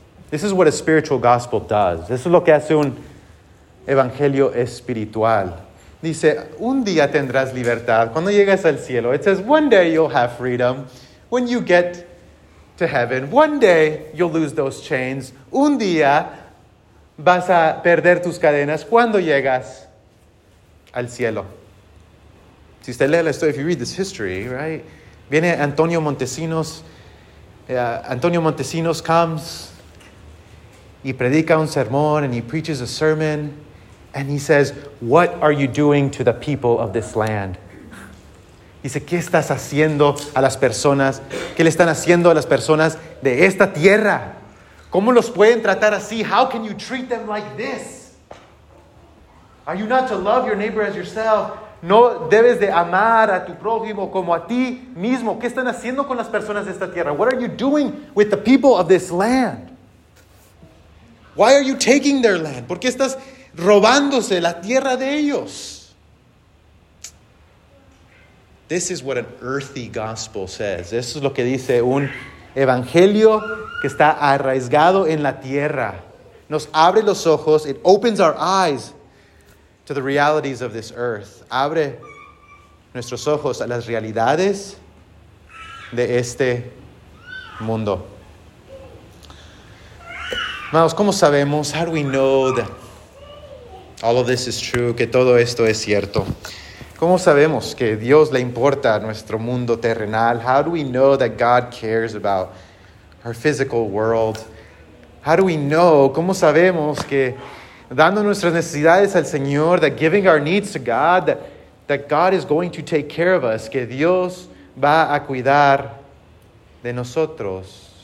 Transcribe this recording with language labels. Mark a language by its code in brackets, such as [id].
[en] This is what a spiritual gospel does. This is [es] lo que hace un evangelio espiritual. Dice, un día tendrás libertad. Cuando llegues al cielo, [en] it says, one day you'll have freedom. When you get to heaven, one day you'll lose those chains. [es] Un día vas a perder tus cadenas cuando llegas al cielo. Si usted lee la historia, [en] if you read this history, right? [es] Viene Antonio Montesinos. [en] Antonio Montesinos comes [es] y predica un sermón, [en] and he preaches a sermon. And he says, what are you doing to the people of this land? [es] Dice, ¿qué estás haciendo a las personas? ¿Qué le están haciendo a las personas de esta tierra? ¿Cómo los pueden tratar así? [en] How can you treat them like this? Are you not to love your neighbor as yourself? [es] ¿No debes de amar a tu prójimo como a ti mismo? ¿Qué están haciendo con las personas de esta tierra? [en] What are you doing with the people of this land? Why are you taking their land? [es] ¿Por qué estás robándose la tierra de ellos? [en] This is what an earthy gospel says. [es] Eso es lo que dice un evangelio que está arraigado en la tierra. Nos abre los ojos. [en] It opens our eyes to the realities of this earth. [es] Abre nuestros ojos a las realidades de este mundo. Amados, ¿cómo sabemos? [en] How do we know that all of this is true, [es] que todo esto es cierto? ¿Cómo sabemos que Dios le importa a nuestro mundo terrenal? [en] How do we know that God cares about our physical world? How do we know? [es] ¿Cómo sabemos que dando nuestras necesidades al Señor, [en] that giving our needs to God, that God is going to take care of us, [es] que Dios va a cuidar de nosotros?